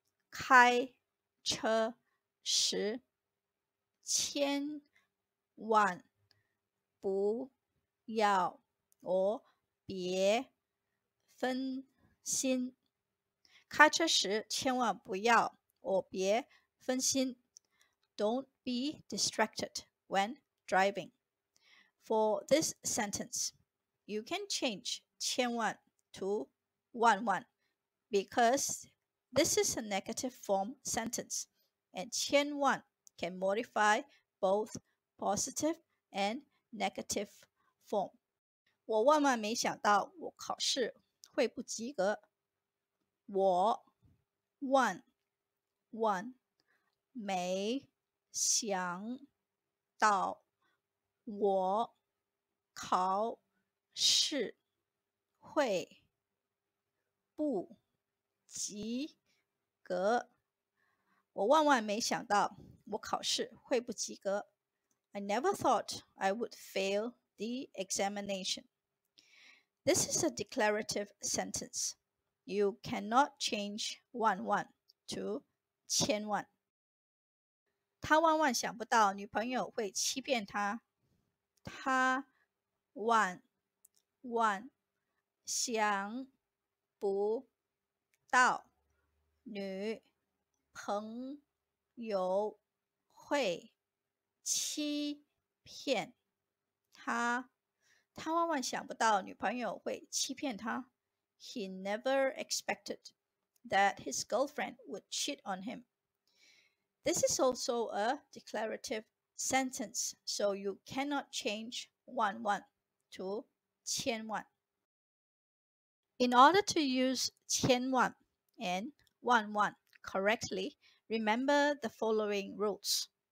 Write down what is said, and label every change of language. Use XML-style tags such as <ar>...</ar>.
<zh>开车时千万不要，我别分心。开车时千万不要，我别分心。</zh> <en>Don't be distracted when driving. For this sentence, you can change 千万 to 万万 because this is a negative form sentence and 千万 can modify both positive and negative form.</en> <zh>我万万没想到我考试会不及格。我万万没想到我考试会不及格。我万万没想到我考试会不及格。</zh> <en>I never thought I would fail the examination. This is a declarative sentence. You cannot change 万万 to 千万。</en> <zh>他万万想不到女朋友会欺骗他。他万万想不到女朋友会欺骗他。他万万想不到女朋友会欺骗他。</zh> <en>He never expected that his girlfriend would cheat on him. This is also a declarative sentence, so you cannot change 万万 to 千万. In order to use 千万 and 万万 correctly, remember the following rules.</en>